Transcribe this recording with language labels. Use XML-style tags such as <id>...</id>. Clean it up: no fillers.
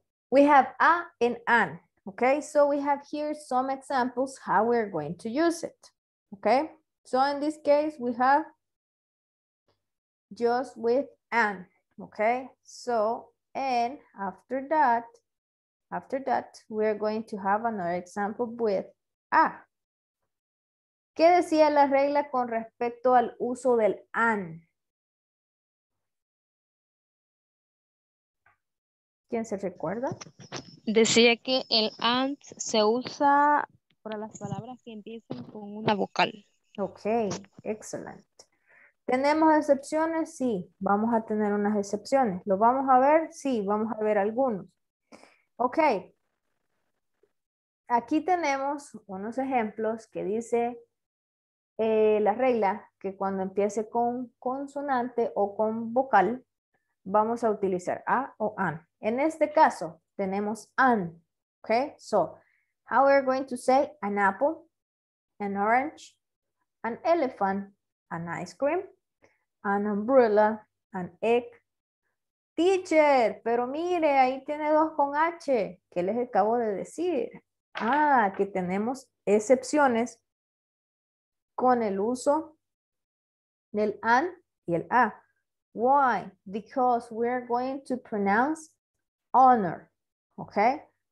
<en>We have a and an, okay? So we have here some examples how we're going to use it, okay? So in this case, we have just with an, okay? So, and after that, we're going to have another example with a.</en> <es>¿Qué decía la regla con respecto al uso del an? ¿Quién se recuerda? Decía que el an se usa para las palabras que empiezan con una vocal. Ok, excelente. ¿Tenemos excepciones? Sí, vamos a tener unas excepciones. ¿Lo vamos a ver? Sí, vamos a ver algunos. Ok. Aquí tenemos unos ejemplos que dice la regla que cuando empiece con consonante o con vocal, vamos a utilizar a o an. En este caso, tenemos an. Ok.</es> <en>So, how we're going to say an apple, an orange, an elephant, an ice cream, an umbrella, an egg.</en> <es>Teacher, pero mire, ahí tiene dos con H. ¿Qué les acabo de decir? Ah, que tenemos excepciones con el uso del an y el a.</es> <en>Why? Because we're going to pronounce honor, okay?</en>